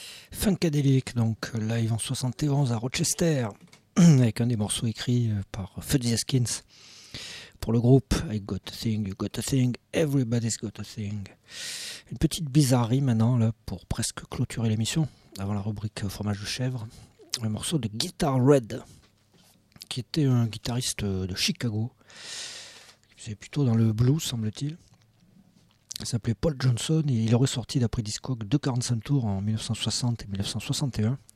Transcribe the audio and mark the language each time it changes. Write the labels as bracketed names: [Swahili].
[French] Funkadelic, donc live en 71 à Rochester, avec un des morceaux écrits par Fuzzy Haskins pour le groupe. [English] I got a thing, you got a thing, everybody's got a thing. [French] Une petite bizarrerie maintenant, là, pour presque clôturer l'émission, avant la rubrique fromage de chèvre. Un morceau de Guitar Red, qui était un guitariste de Chicago, qui faisait plutôt dans le blues, semble-t-il. Il s'appelait Paul Johnson et il aurait sorti d'après Discogs deux 45 tours en 1960 et 1961.